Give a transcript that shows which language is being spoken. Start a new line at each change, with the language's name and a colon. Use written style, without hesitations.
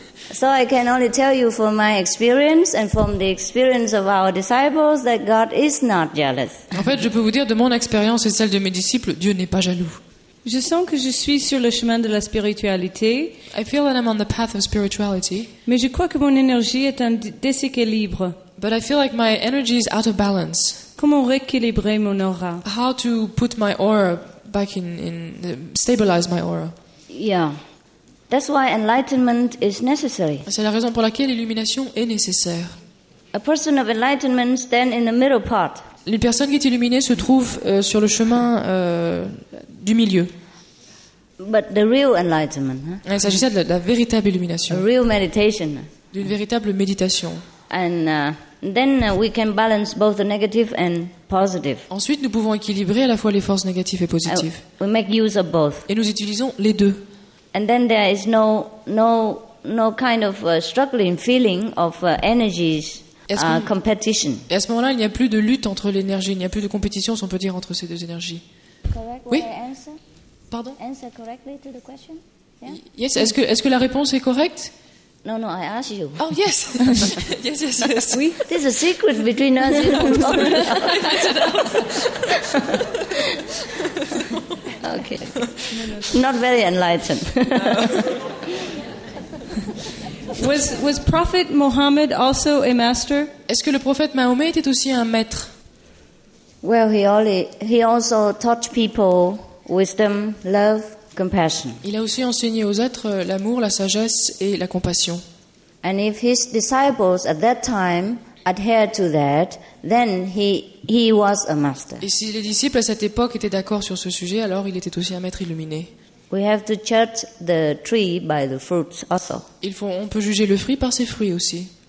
English: So I can only tell you from my experience and from the experience of our disciples that God is not jealous.
French: En fait, je peux vous dire de mon expérience et celle de mes disciples, Dieu n'est pas jaloux. Je sens que je suis sur le chemin de la spiritualité.
English: I feel that I'm on the path of spirituality.
French: Mais je crois que mon énergie est en déséquilibre.
English: But I feel like my energy is out of balance.
French: Comment rééquilibrer mon aura?
English: How to put my aura back in stabilize my aura? Yeah. That's why enlightenment is necessary.
French: C'est la raison pour laquelle l'illumination est nécessaire.
English: A person of enlightenment stands in the middle part.
French: Une personne qui est illuminée se trouve sur le chemin du milieu.
English: But the real enlightenment,
French: Il s'agissait de la véritable illumination.
English: A real meditation.
French: D'une véritable méditation.
English: And then we can balance both the negative and positive.
French: Ensuite, nous pouvons équilibrer à la fois les forces négatives et positives.
English: We make use of both.
French: Et nous utilisons les deux.
English: And then there is no kind of struggling feeling of energies. Competition.
French: Et à ce moment-là, il n'y a plus de lutte entre l'énergie, il n'y a plus de compétition, si on peut dire, entre ces deux énergies.
English: Correct,
French: oui.
English: Answer?
French: Pardon.
English: Answer correctly to the question. Yeah?
French: Yes. Est-ce que la réponse est correcte?
English: No. I ask you. Oh yes. yes.
French: Oui.
English: There's a secret between us. Okay. Not very enlightened. Was Prophet Muhammad also a master?
French: Est-ce que le prophète Mahomet était aussi un maître?
English: Well, he also taught people wisdom, love, compassion.
French: Il a aussi enseigné aux êtres l'amour, la sagesse et la compassion.
English: And if his disciples at that time adhered to that, then he was a master.
French: Et si les disciples à cette époque étaient d'accord sur ce sujet, alors il était aussi un maître illuminé.
English: We have to judge the tree by the fruits also.
French: On peut juger le fruit par ses fruits aussi.